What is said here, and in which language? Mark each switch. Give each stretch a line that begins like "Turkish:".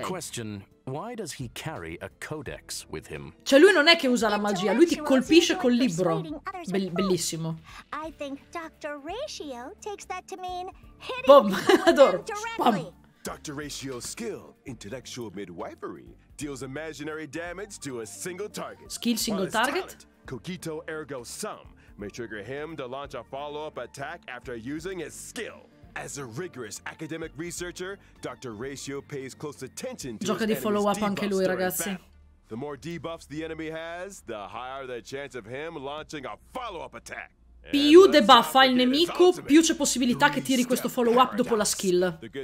English: Question: why does he carry a codex with him?
Italian: Cioè, lui non è che usa la magia, lui ti colpisce col libro. Bellissimo.
English: I think Dr. Ratio takes that to mean hitting directly. Dr. Ratio's skill, intellectual midwifery, deals imaginary damage to a single target. Skill single target? Cogito ergo sum. May trigger him to launch a follow-up attack after using his skill. As a rigorous academic researcher, Dr. Ratio pays close attention to his follow-up
Italian: anche lui, ragazzi.
English: The more debuffs the enemy has, the higher the chance of him launching a follow-up attack.
Italian: Più debuffa il nemico, più c'è possibilità che tiri questo follow-up dopo la skill.